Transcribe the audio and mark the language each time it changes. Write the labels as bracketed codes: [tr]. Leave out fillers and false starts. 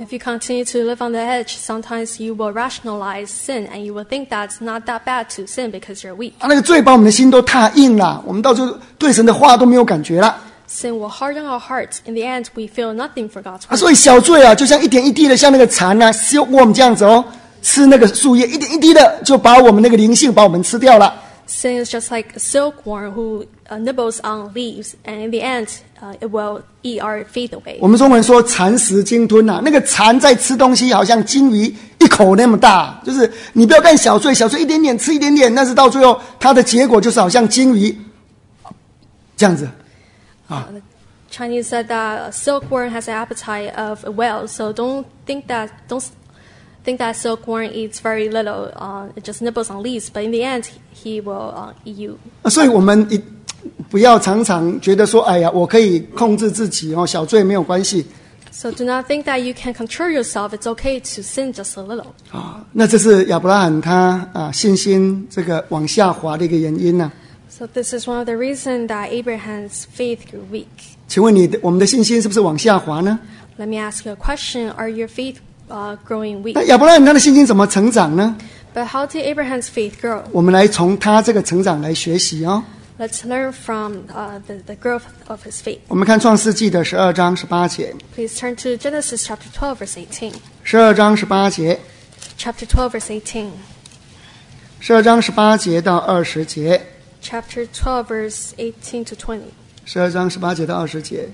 [en] If you continue to live on the edge, sometimes you will rationalize sin, and you will think that it's not that bad to sin because you're weak. [zh] 那个罪把我们的心都踏硬了，我们到时候对神的话都没有感觉了。 [en] Sin will harden our hearts. In the end, we feel nothing for God's word. [zh] 所以小罪啊，就像一点一滴的，像那个蚕啊 ，silkworm 这样子哦，吃那个树叶，一点一滴的就把我们那个灵性把我们吃掉了。 [en] Sin is just like a silkworm who nibbles on leaves, and in the end, it will eat our faith away. [zh] 我们中文说蚕食鲸吞啊，那个蚕在吃东西，好像鲸鱼一口那么大。就是你不要看小罪，小罪一点点吃一点点，但是到最后它的结果就是好像鲸鱼这样子。 [en] Chinese said that a silkworm has an appetite of a whale, so don't think that silkworm eats very little. It just nibbles on leaves, but in the end, he will eat you. [zh] 所以我们不要常常觉得说，哎呀，我可以控制自己哦，小罪没有关系。 [en] So do not think that you can control yourself. It's okay to sin just a little. [zh] 那这是亚伯拉罕他信心这个往下滑的一个原因呢。 [en] So this is one of the reasons that Abraham's faith grew weak. [zh] 请问你，我们的信心是不是往下滑呢？ [en] Let me ask you a question. Are your faith growing weak? [zh] 那亚伯拉罕他的信心怎么成长呢？ [en] But But how did Abraham's faith grow? [zh] 我们来从他这个成长来学习哦。 [en] Let's learn from the growth of his faith. [zh] 我们看创世纪的十二章十八节。 [en] Please turn to Genesis chapter 12 verse 18. [zh] 十二章十八节。 [en] Chapter 12 verse 18. [zh] 十二章十八节到二十节。 [en] Chapter 12 verse 18 to 20. [zh] 十二章十八节到二十节。